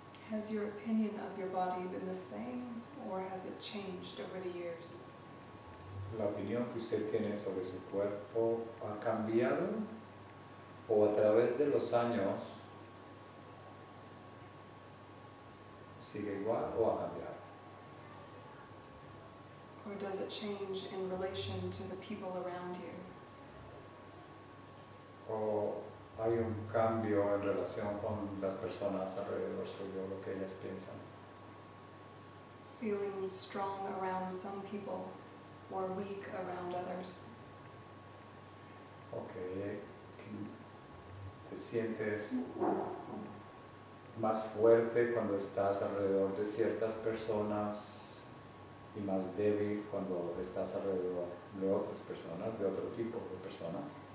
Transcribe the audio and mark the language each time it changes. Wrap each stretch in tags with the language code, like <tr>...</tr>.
<en>Has your opinion of your body been the same, or has it changed over the years?</en> <es>¿La opinión que usted tiene sobre su cuerpo ha cambiado? ¿O a través de los años sigue igual o ha cambiado?</es> <en>Or does it change in relation to the people around you?</en> <es>¿O hay un cambio en relación con las personas alrededor suyo, lo que ellas piensan?</es> <en>Feeling strong around some people or weak around others. Okay.</en> <es>¿Te sientes más fuerte cuando estás alrededor de ciertas personas y más débil cuando estás alrededor de otras personas, de otro tipo de personas?</es>